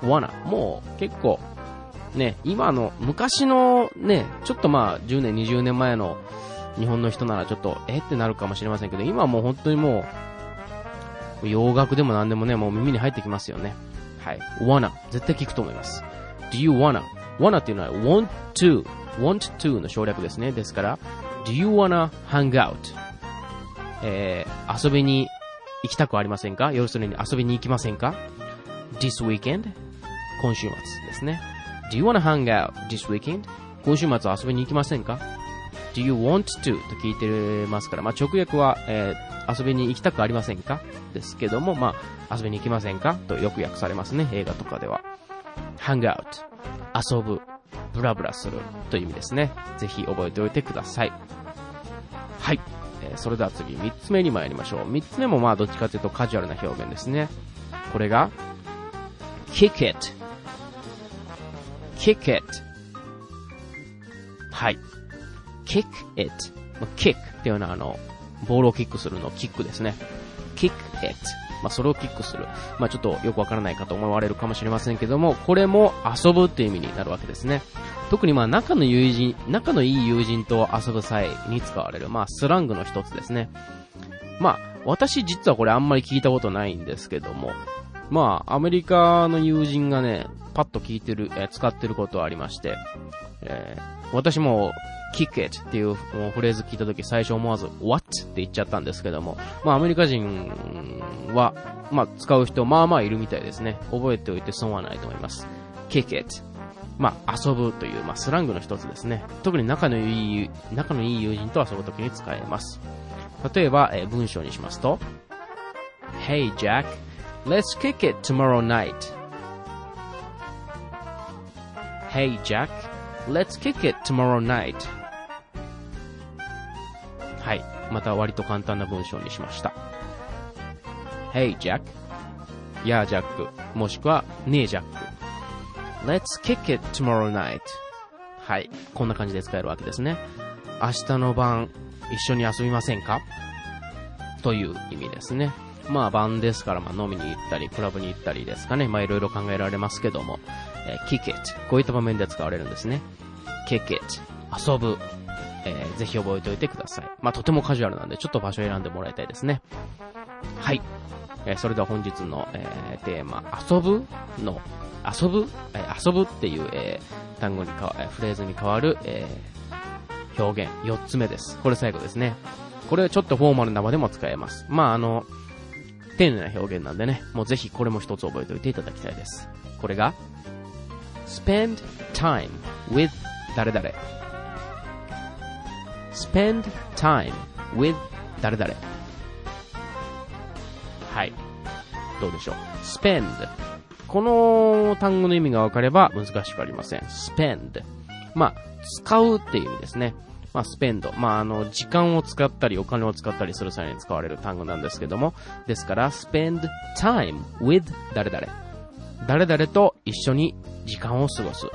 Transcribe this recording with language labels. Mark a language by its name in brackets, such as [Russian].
[Japanese] wanna もう結構ね、今の昔のね、ちょっとまあ10年20年前の日本の人ならちょっとえってなるかもしれませんけど、今はもう本当にもう洋楽でも何でもね、もう耳に入ってきますよね。はい、 wanna 絶対聞くと思います。 [English] Do you wanna、 [Japanese] wanna っていうのは want to、 want to の省略ですね。ですから [English] Do you wanna hang out、 [Japanese] 遊びに行きたくありませんか、要するに遊びに行きませんか。 [English] This weekend、 [Japanese] 今週末ですね。 [English] Do you wanna hang out this weekend? [Japanese] 今週末遊びに行きませんか? [English] Do you want to? [Japanese] と聞いてますから、まあ、直訳は、遊びに行きたくありませんか? ですけども、まあ、遊びに行きませんか?とよく訳されますね、映画とかでは。 Hang out、 遊ぶ、ブラブラするという意味ですね。ぜひ覚えておいてください。はい、それでは次3つ目に参りましょう。 3つ目もまあどっちかというとカジュアルな表現ですね。 [English] これが Kick itKick it。 [Japanese] はい、 Kick it、 Kick っていうのはあのボールをキックするのキックですね。 Kick it、 まあ、それをキックする、まあ、ちょっとよくわからないかと思われるかもしれませんけども、これも遊ぶという意味になるわけですね。特にまあ仲の友人、仲のいい友人と遊ぶ際に使われる、まあ、スラングの一つですね。まあ私実はこれあんまり聞いたことないんですけども、まあアメリカの友人がねパッと聞いてる、使ってることはありまして、私も [English] kick it [Japanese] っていうフレーズ聞いたとき最初思わず what って言っちゃったんですけども、まあアメリカ人はまあ使う人まあまあいるみたいですね。覚えておいて損はないと思います。kick it、 まあ遊ぶというまあスラングの一つですね。特に仲のいい友人と遊ぶときに使えます。例えば、文章にしますと、 [English] Hey Jack, let's kick it tomorrow night. Hey Jack, let's kick it tomorrow night. [Japanese] はい、また割と簡単な文章にしました。 [English] Hey Jack, [Japanese] やあジャック、もしくはねえジャック。 [English] Let's kick it tomorrow night. [Japanese] はい、こんな感じで使えるわけですね。明日の晩一緒に遊びませんか? という意味ですね。まあ晩ですから、まあ飲みに行ったりクラブに行ったりですかね。まあいろいろ考えられますけども。kick it、 こういった場面で使われるんですね。 kick it、 遊ぶ、ぜひ覚えておいてください。まあ、とてもカジュアルなんでちょっと場所を選んでもらいたいですね。はい、それでは本日の、テーマ遊ぶの遊ぶ、遊ぶっていう、単語にか、フレーズに変わる、表現4つ目です。これ最後ですね。これちょっとフォーマルな場でも使えます。まあ丁寧な表現なんでね、もうぜひこれも一つ覚えておいていただきたいです。これが [English] spend time with 誰々。 spend time with 誰々。 [Japanese] はい、どうでしょう。 spend、 この単語の意味が分かれば難しくありません。 spend、 まあ使うっていう意味ですね。まあ spend、 まあ時間を使ったりお金を使ったりする際に使われる単語なんですけども、ですから [English] spend time with [Japanese] 誰々、誰々と一緒に時間を過ごす。